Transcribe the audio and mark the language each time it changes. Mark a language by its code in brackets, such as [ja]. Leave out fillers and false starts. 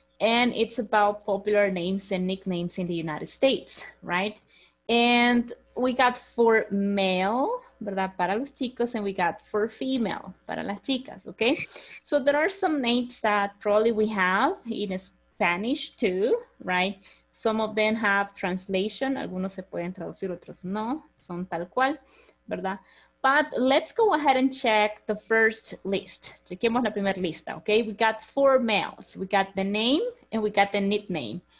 [en] And it's about popular names and nicknames in the United States, right? And we got for male, ¿verdad? [es] Para los chicos, [en] and we got for female, [es] para las chicas, [en] okay? So there are some names that probably we have in Spanish too, right? Some of them have translation. [es] Algunos se pueden traducir, otros no. Son tal cual, ¿verdad? [en] But let's go ahead and check the first list. [es] Chequemos la primera lista, [en] okay? We got four males. We got the name and we got the nickname.